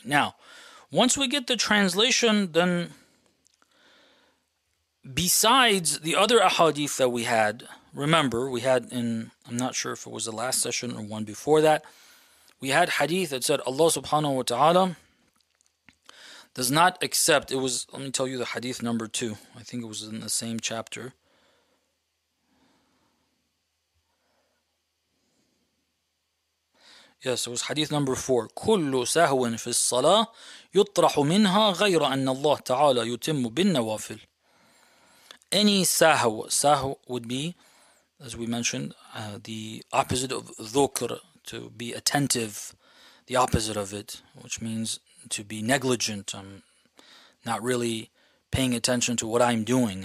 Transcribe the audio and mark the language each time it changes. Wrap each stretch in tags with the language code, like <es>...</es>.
<en>Now, once we get the translation, then besides the other ahadith that we had, remember, we had in, I'm not sure if it was the last session or one before that, we had hadith that said Allah subhanahu wa ta'ala does not accept, it was, let me tell you the hadith number 2, I think it was in the same chapter. Yes, it was hadith number 4.</en> <ar>كل سهو في الصلاة يطرح منها غير أن الله تعالى يتم بالنوافل.</ar> <en>Any sahw, sahw would be, as we mentioned, the opposite of dhukr, to be attentive, the opposite of it, which means to be negligent. I'm not really paying attention to what I'm doing.</en>